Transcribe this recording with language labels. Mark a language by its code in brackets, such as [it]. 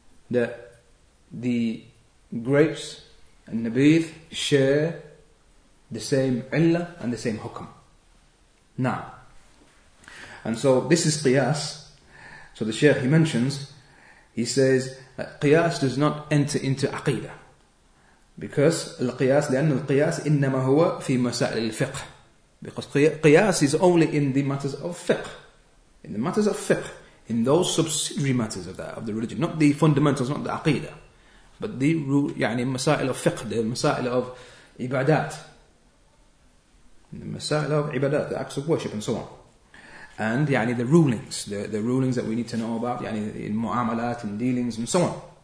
[en] That the grapes and nabith share the same illah and the same hukum. Now, and so this is qiyas. So the sheikh, he mentions, he says that qiyas does not enter into aqidah. Because al-qiyas, [ar] لأن القياس إنما هو في مسائل الفقه. [en] Because qiyas is only in the matters of fiqh. In the matters of fiqh. In those subsidiary matters of that, of the religion. Not the fundamentals, not the aqidah. But the يعني مسائل of fiqh, the مسائل of ibadat. The مسائل of ibadat, the acts of worship and so on. And يعني the rulings, the rulings that we need to know about, يعني in mu'amalat and dealings and so on.